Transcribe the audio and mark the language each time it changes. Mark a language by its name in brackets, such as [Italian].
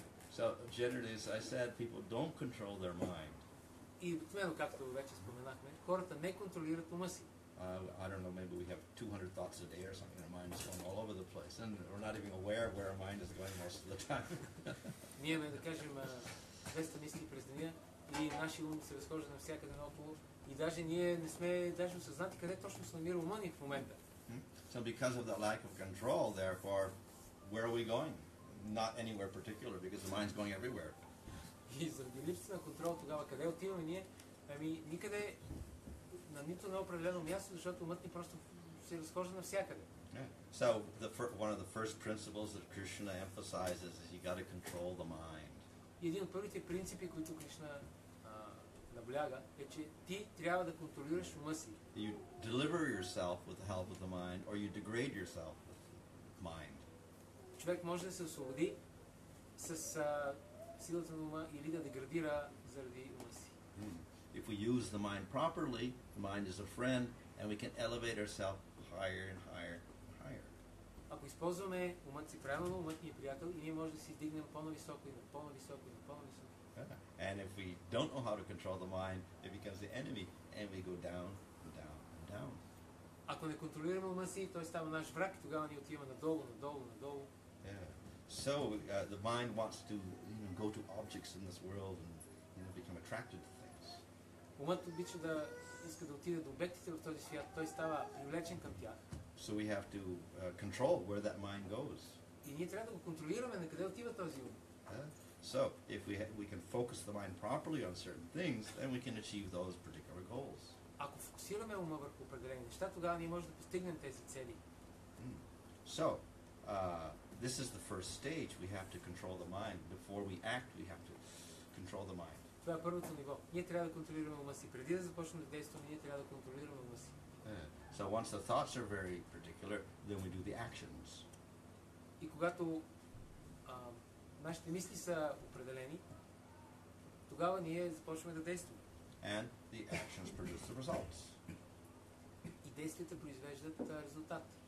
[English] So generally, as I said, people don't control their mind. [Bulgarian] И обикновено, както вече споменахме, хората не контролират ума си. [English] I don't know, maybe we have 200 thoughts a day or something. Our mind is going all over the place. And we're not even aware of where our mind is going most of the time. [Bulgarian] Ние имаме, да кажем, 200 мисли през деня и наши ум се разхожда навсякъде наоколо. И даже ние не сме даже осъзнати къде точно се намира ума ни в момента. [English] So because of that lack of control, therefore, where are we going? Not anywhere particular, because the mind's going everywhere. [Bulgarian] И заради липсата на контрол тогава, къде отиваме ние? Ами никъде, на нито на определено място, защото умът ни просто се разхожда навсякъде. [English] So one of the first principles that Krishna emphasizes is you got to control the mind. [Bulgarian] Един от първите принципи, които Кришна набляга, е, че ти трябва да контролираш ума си. [English] You deliver yourself with the help of the mind, or you degrade yourself with the mind. [Bulgarian] Човек може да се освободи с силата на ума или да деградира заради ума си. [English] If we use the mind properly, the mind is a friend, and we can elevate ourselves higher and higher and higher. [Bulgarian] Ако използваме умът си правилно, умът ни е приятел и ние може да си издигнем по-нависоко и на по-нависоко и на по-нависоко. [English] And if we don't know how to control the mind, it becomes the enemy, and we go down and down and down. [Bulgarian] Ако не контролираме ума си, той става наш враг и тогава ние отиваме надолу, надолу, надолу. [English] So the mind wants to go to objects in this world and become attracted to. [Bulgarian] Умът обича да иска да отиде до обектите в този свят, той става привлечен към тях. [English] So we have to control where that mind goes. [Bulgarian] И ние трябва да го контролираме на къде отива този ум. [English] So if we can focus the mind properly on certain things, then we can achieve those particular goals. [Bulgarian] Ако фокусираме ума върху определени неща, тогава ние можем да постигнем тези цели. [English] So this is the first stage. We have to control the mind. Before we act, we have to control the mind. [Bulgarian] Това е първото ниво. Ние трябва да контролираме ума си. Преди да започнем да действаме, ние трябва да контролираме ума си. [English] So once the thoughts are very particular, then we do the actions. [Bulgarian] И когато нашите мисли са определени, тогава ние започваме да действаме. [English] And the actions produce the results. [Bulgarian] И действията произвеждат резултат.